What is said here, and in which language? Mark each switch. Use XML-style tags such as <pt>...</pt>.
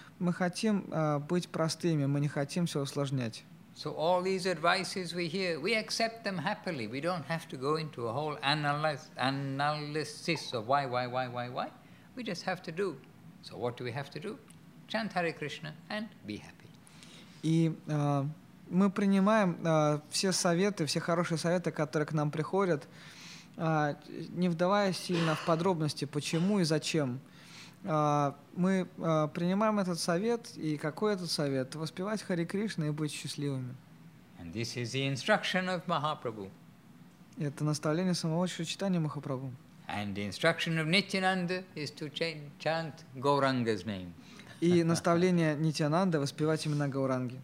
<ru>Мы хотим быть простыми, мы не хотим все усложнять.</ru> <en>So all these advices we hear, we accept them happily. We don't have to go into a whole analysis of why. We just have to do. So what do we have to do? Chant Hare Krishna and be happy.</en> <ru>И мы принимаем все советы, все хорошие советы, которые к нам приходят, не вдаваясь сильно в подробности, почему и зачем. Мы принимаем этот совет, и какой этот совет? Воспевать Харе Кришну и быть счастливыми.</ru> <en>And this is the instruction of Mahaprabhu.</en> <ru>Это наставление самого Шри Чайтаньи Махапрабху.</ru> <en>And the instruction of Nityananda is to chant Gauranga's name.</en> <ru>И наставление Нитянанды — воспевать имена Гауранги.</ru>